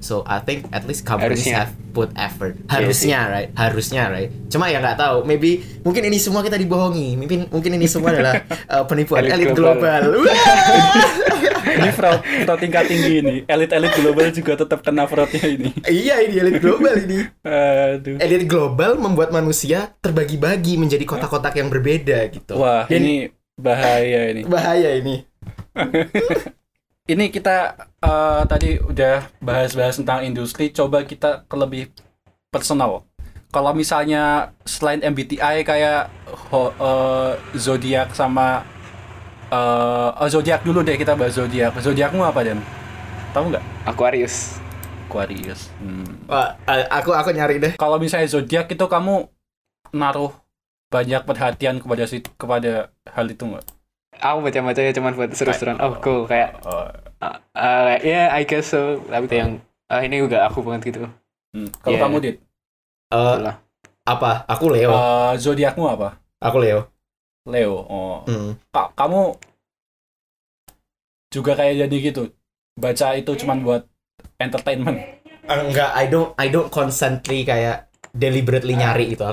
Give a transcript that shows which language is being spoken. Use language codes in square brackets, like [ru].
[en] So I think at least companies [id] harusnya [en] have put effort. [id] Harusnya, [en] yeah, right? [id] Harusnya, right? Cuma ya nggak tahu. Maybe mungkin ini semua kita dibohongi. Mungkin ini semua adalah penipuan elit global. Ini fraud tingkat tinggi ini. Elit-elit global juga tetap kena fraudnya ini. Iya, ini elit global ini. Aduh. Elit global membuat manusia terbagi-bagi menjadi kotak-kotak yang berbeda gitu. Wah, dan ini bahaya ini. Bahaya ini. Ini kita tadi udah bahas-bahas tentang industri, coba kita ke lebih personal. Kalau misalnya selain MBTI kayak zodiak sama zodiak dulu deh, kita bahas zodiak. Zodiakmu apa, Dan? Tahu nggak? Aquarius. Aquarius. Aku nyari deh. Kalau misalnya zodiak itu kamu naruh banyak perhatian kepada hal itu nggak? Aku baca-baca ya, cuman buat seru-seruan. [en] Oh cool, kayak yeah, I guess so. [id] Tapi yang ini juga aku banget gitu. Kalau kamu, Dit? Apa? Aku Leo. Zodiakmu apa? Aku Leo. Leo. Oh. Kak, kamu juga kayak jadi gitu. Baca itu cuman buat entertainment. [en] Enggak, I don't constantly kayak deliberately [id] nyari itu.